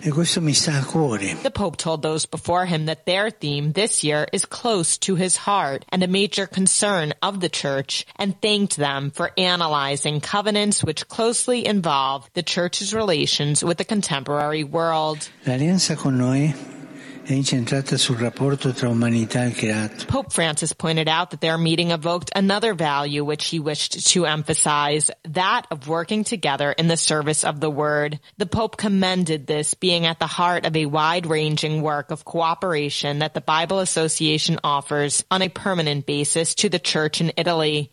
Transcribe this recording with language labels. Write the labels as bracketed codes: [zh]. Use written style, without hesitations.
[it] E questo mi sta a cuore. [en] The Pope told those before him that their theme this year is close to his heart and a major concern of the Church, and thanked them for analyzing covenants which closely involve the Church's relations with the contemporary world. [it] L'alleanza con noi è incentrata sul rapporto tra umanità e creato. [en] Pope Francis pointed out that their meeting evoked another value which he wished to emphasize, that of working together in the service of the Word. The Pope commended this being at the heart of a wide-ranging work of cooperation that the Bible Association offers on a permanent basis to the Church in Italy.